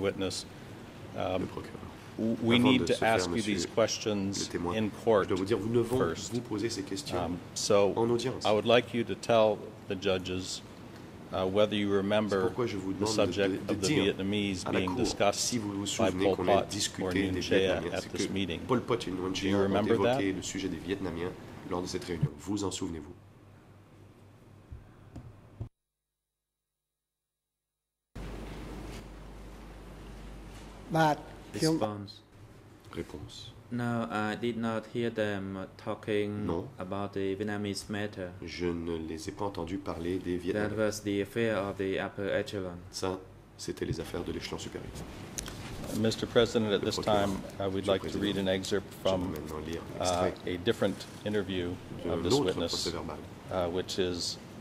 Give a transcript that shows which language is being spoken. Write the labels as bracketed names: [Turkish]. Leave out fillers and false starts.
[English] Witness, we need to ask you these questions in court first. So I would like you to tell the judges whether you remember the subject of the Vietnamese being discussed [French] si vous vous [English] by Pol Pot or Nguyen Chea at this meeting. Do you remember that? [French] Le sujet des Vietnamiens lors de cette réunion. Vous en souvenez-vous? [English] But response. No, I did not hear them talking [French] non. [English] About the Vietnamese matter. [French] Je ne les ai pas entendus parler des Vietnamiens. [English] That was the affair of the upper echelon. [French] Ça, c'était les affaires de l'échelon supérieur. [English] Mr. President, at this time, I would like to read an excerpt from a different interview of this witness, which is